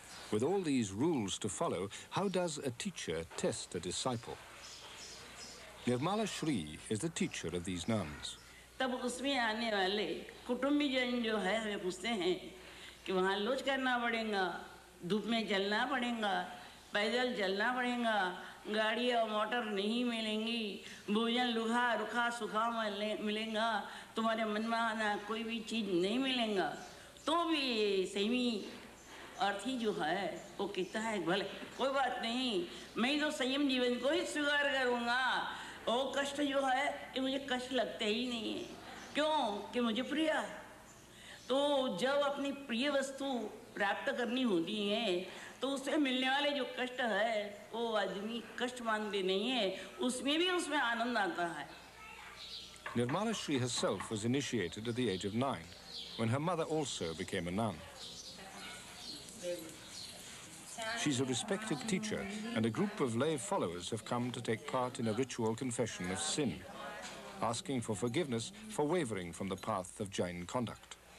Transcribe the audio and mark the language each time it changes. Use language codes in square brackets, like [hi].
[en] With all these rules to follow, how does a teacher test a disciple? Nirmala Shri is the teacher of these nuns. [hi] तब उसमें आने वाले कुटुंबी जन जो है हमें पूछते हैं कि वहाँ लोच करना पड़ेगा, धूप में चलना पड़ेगा, पैदल चलना पड़ेगा, गाड़ी और मोटर नहीं मिलेंगी, भोजन लुहा रुखा सुखा मिलेगा, तुम्हारे मनमाना कोई भी चीज़ नहीं मिलेगा, तो भी ये सही अर्थी जो है वो कहता है भले कोई बात नहीं, मैं तो संयम जीवन को ही स्वीकार करूँगा। ओ कष्ट जो है ये मुझे कष्ट लगते ही नहीं है, क्यों कि मुझे प्रिय है। तो जब अपनी प्रिय वस्तु प्राप्त करनी होती है तो उससे मिलने वाले जो कष्ट है वो आदमी कष्ट मानते नहीं है, उसमें भी उसमें आनंद आता है। [en] Nirmala Shri herself was initiated at the age of 9 when her mother also became a nun. She's a respected teacher, and a group of lay followers have come to take part in a ritual confession of sin, asking for forgiveness for wavering from the path of Jain conduct.